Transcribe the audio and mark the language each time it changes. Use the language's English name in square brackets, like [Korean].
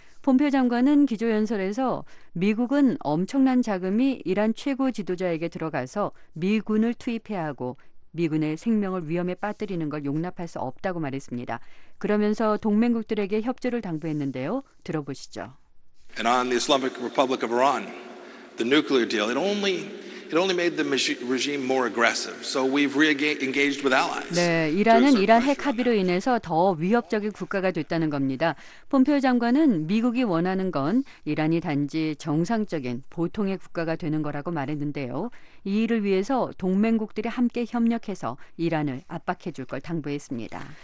[Korean] 폼페이오 장관은 기조연설에서 미국은 엄청난 자금이 이란 최고 지도자에게 들어가서 미군을 투입해야 하고 미군의 생명을 위험에 빠뜨리는 걸 용납할 수 없다고 말했습니다. 그러면서 동맹국들에게 협조를 당부했는데요. 들어보시죠. [English] And on the Islamic Republic of Iran, the nuclear deal, it only made the regime more aggressive. So we've re-engaged with allies. [Korean] 네, 이란은 이란 핵 합의로 인해서 더 위협적인 국가가 됐다는 겁니다. 폼페이오 장관은 미국이 원하는 건 이란이 단지 정상적인 보통의 국가가 되는 거라고 말했는데요. 이 일을 위해서 동맹국들이 함께 협력해서 이란을 압박해 줄 걸 당부했습니다.